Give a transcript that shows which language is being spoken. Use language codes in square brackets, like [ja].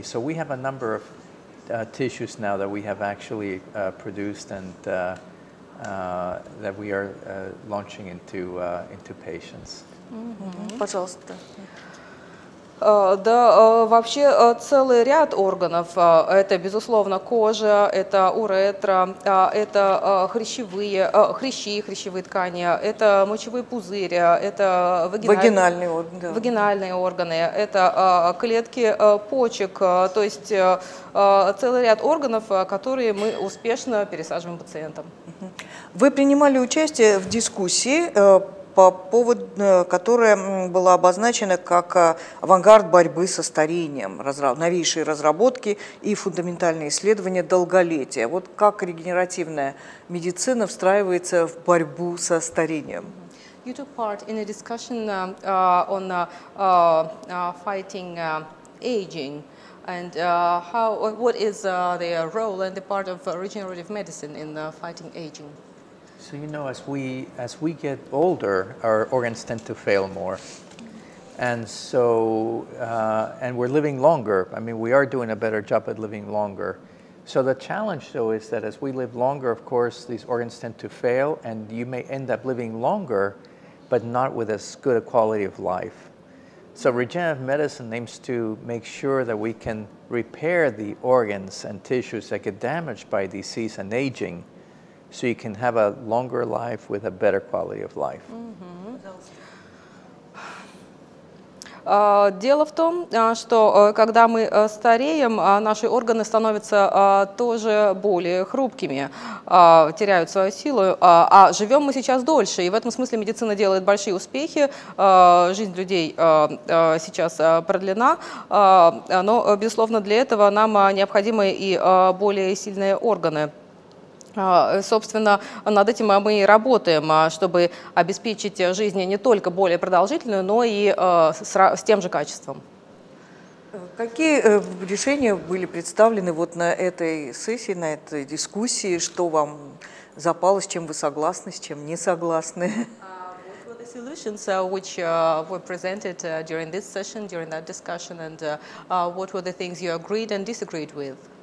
[en] So we have a number of tissues now that we have actually produced and that we are launching into patients. [ru] Пожалуйста. Да, вообще целый ряд органов. Это, безусловно, кожа, это уретра, это хрящевые ткани, это мочевые пузыри, это вагинальные органы, это клетки почек. То есть целый ряд органов, которые мы успешно пересаживаем пациентам. Вы принимали участие в дискуссии, по поводу, которая была обозначена как авангард борьбы со старением, новейшие разработки и фундаментальные исследования долголетия. Вот как регенеративная медицина встраивается в борьбу со старением? [en] You took part in a discussion on fighting aging and how, what is the role and the part of regenerative medicine in fighting aging? So you know, as we get older, our organs tend to fail more, and so and we're living longer. I mean, we are doing a better job at living longer. So the challenge, though, is that as we live longer, of course, these organs tend to fail, and you may end up living longer, but not with as good a quality of life. So regenerative medicine aims to make sure that we can repair the organs and tissues that get damaged by disease and aging. So you can have a longer life with a better quality of life. [ru] Дело в том, что когда мы стареем, наши органы становятся тоже более хрупкими, теряют свою силу, а живем мы сейчас дольше. И в этом смысле медицина делает большие успехи, жизнь людей сейчас продлена, но, безусловно, для этого нам необходимы и более сильные органы. Собственно, над этим мы и работаем, чтобы обеспечить жизнь не только более продолжительную, но и с тем же качеством. Какие решения были представлены вот на этой сессии, на этой дискуссии? Что вам запало, с чем вы согласны, с чем не согласны? [en] Solutions which were presented during this session, during that discussion, and what were the things you agreed and disagreed with?